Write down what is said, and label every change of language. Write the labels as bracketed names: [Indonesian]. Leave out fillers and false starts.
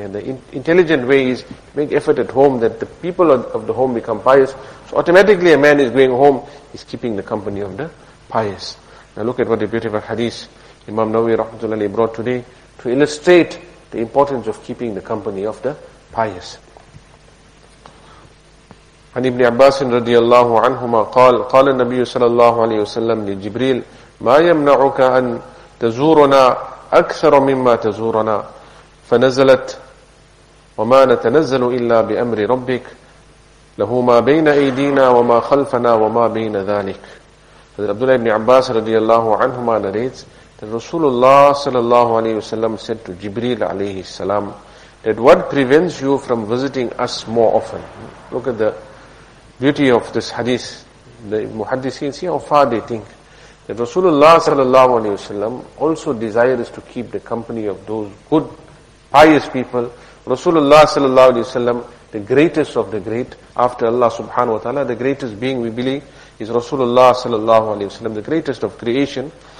[English] And the intelligent way is make effort at home that the people of the home become pious. So automatically a man is going home, is keeping the company of the pious. Now look at what a beautiful hadith Imam Nawawi rahmatullahi brought today to illustrate the importance of keeping the company of the pious. [Arabic] عن ابن عباس رضي الله عنهما قال قال النبي صلى الله عليه وسلم لجبريل ما يمنعك أن تزورنا أكثر مما تزورنا فنزلت وما نتنزل إلا بأمر ربك له ما بين أيدينا وما خلفنا وما بين ذلك. عبد الله بن عباس رضي الله عنهما [English] narrates that [Arabic] رسول الله صلى الله عليه وسلم [English] said to [Arabic] جبريل عليه السلام [English] that what prevents you from visiting us more often. Look at the beauty of this hadith. The muhaddithin, see how far they think. That Rasulullah sallallahu alayhi wa sallam also desires to keep the company of those good, pious people. Rasulullah sallallahu alayhi wa sallam, the greatest of the great, after Allah subhanahu wa ta'ala, the greatest being we believe is Rasulullah sallallahu alayhi wa sallam, the greatest of creation.